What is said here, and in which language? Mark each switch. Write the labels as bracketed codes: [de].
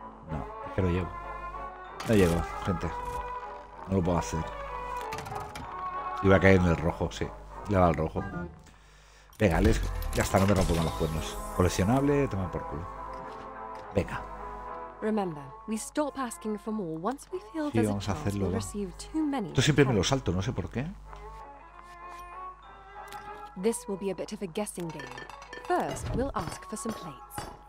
[es] No, es que no llego. No llego, gente. No lo puedo hacer. Iba a caer en el rojo, sí. Le va al rojo. Venga, les... ya está, no me rompo más los cuernos. Coleccionable, toma por culo. Venga. [en] Remember, we stop asking for more once we feel [es] sí, vamos a hacerlo. Esto siempre me lo salto, no sé por qué. [en] This will be a bit of a guessing game. First, we'll ask for some plates.